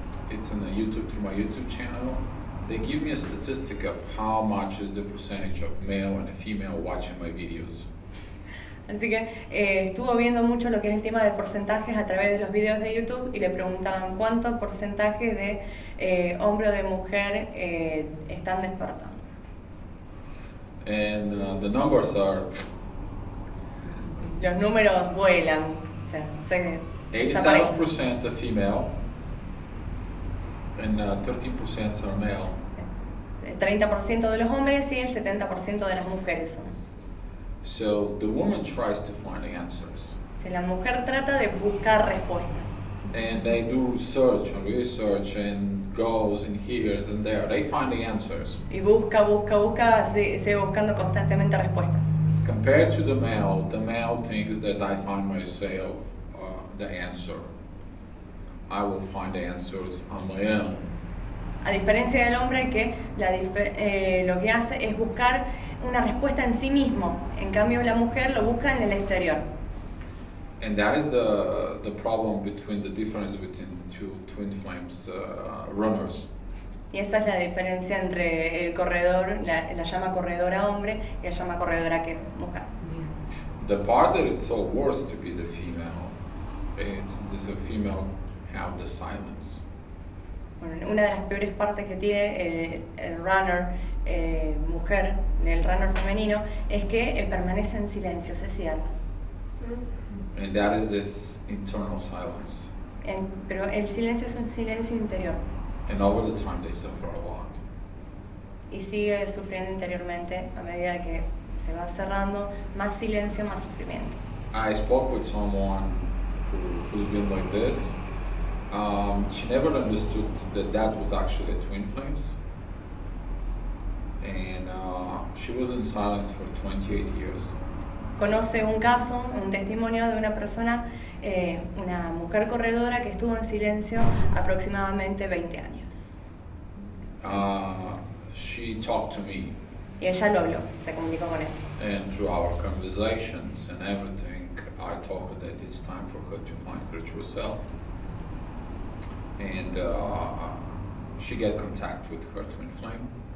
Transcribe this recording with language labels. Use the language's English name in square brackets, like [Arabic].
[English] It's on the YouTube, through my YouTube channel. They give me a statistic of how much is the percentage of male and female watching my videos. [Spanish] Así que estuvo viendo mucho lo que es el tema de porcentajes a través de los videos de YouTube y le preguntaban cuánto porcentaje de hombre o de mujer están despertando. [English] And the numbers are. [Spanish] Los números vuelan. Se [English] 87% of female. And 13% are male. [Spanish] 30% de los hombres y el 70% de las mujeres son. [English] So the woman tries to find answers. [Spanish] Si la mujer trata de buscar respuestas. [English] And they do research and goes and here and there. They find the answers. [Spanish] Y busca, sigue buscando constantemente respuestas. [English] Compared to the male thinks that I find myself the answer. I will find the answers on my own. [Spanish] A diferencia del hombre que lo que hace es buscar una respuesta en sí mismo. En cambio, la mujer lo busca en el exterior. [English] And that is the problem between the difference between the two twin flames runners. [Spanish] Y esa es la diferencia entre el corredor, la llama corredora hombre y la llama corredora que mujer. [English] The part that it's so worse to be the female, it's a female. Have the silence. [Spanish] Bueno, una de las peores partes que tiene el runner mujer, el runner femenino, es que permanece en silencio, se cierra. [English] And that is this internal silence. [Spanish] Pero el silencio es un silencio interior. [English] And over the time they suffer a lot. [Spanish] Y sigue sufriendo interiormente a medida que se va cerrando, más silencio, más sufrimiento. [English] I spoke with someone who's been like this. She never understood that was actually a twin flames. And she was in silence for 28 years. [Spanish] Conoce un caso, un testimonio de una persona, una mujer corredora que estuvo en silencio aproximadamente 20 años. [English] She talked to me. [Spanish] Y ella lo habló, se comunicó con él. [English] And through our conversations and everything, I told her that it's time for her to find her true self. And she got contact with her twin flame.